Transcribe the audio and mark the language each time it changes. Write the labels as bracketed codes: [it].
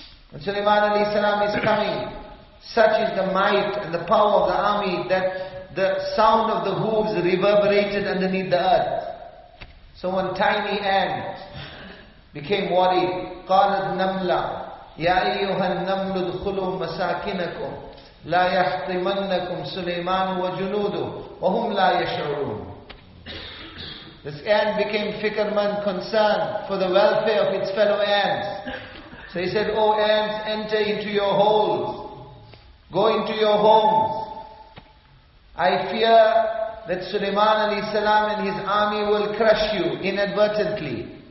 [en] When Sulaiman alayhi salam is coming, such is the might and the power of the army that the sound of the hooves reverberated underneath the earth. So one tiny ant became worried. [ar] قَالَتْ نَمْلَةٌ يَا أَيُّهَا النَّمْلُ ادْخُلُوا مَسَاكِنَكُمْ لا يحطمنكم سليمان وجنوده وهم لا يشعرون. [en] This ant became fickle-minded, concerned for the welfare of its fellow ants. So he said, "Oh ants, enter into your holes, go into your homes. I fear that Sulaiman alayhi salam and his army will crush you inadvertently."